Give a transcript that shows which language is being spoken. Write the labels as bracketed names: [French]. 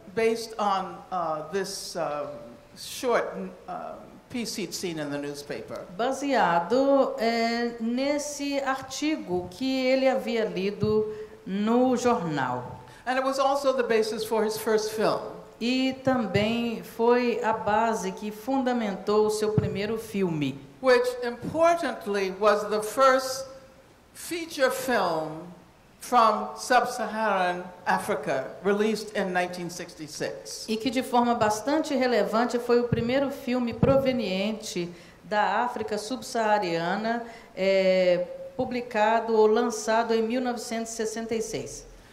[English] based on this short piece he'd seen in the newspaper. [Portuguese] Baseado nesse artigo que ele havia lido no jornal. [English] And it was also the basis for his first film. [Portuguese] E também foi a base que fundamentou o seu primeiro filme. [English] Which importantly was the first feature film from sub-Saharan Africa released in 1966. [Portuguese] E que de forma bastante relevante foi o primeiro filme proveniente da África subsaariana publicado ou lançado em 1966.